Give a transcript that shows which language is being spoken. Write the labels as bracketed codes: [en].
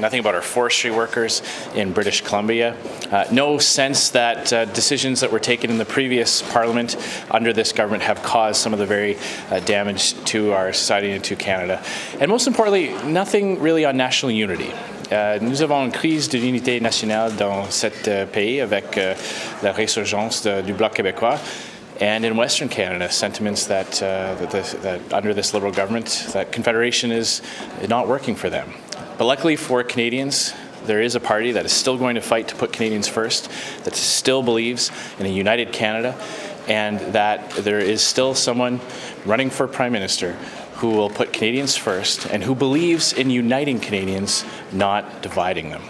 [en] Nothing about our forestry workers in British Columbia. No sense that decisions that were taken in the previous parliament under this government have caused some of the very damage to our society and to Canada. And most importantly, nothing really on national unity. [fr] Nous avons une crise de l'unité nationale dans cet pays avec la résurgence du Bloc québécois. [en] And in Western Canada, sentiments that that under this Liberal government, that Confederation is not working for them. But luckily for Canadians, there is a party that is still going to fight to put Canadians first, that still believes in a united Canada, and that there is still someone running for Prime Minister who will put Canadians first, and who believes in uniting Canadians, not dividing them.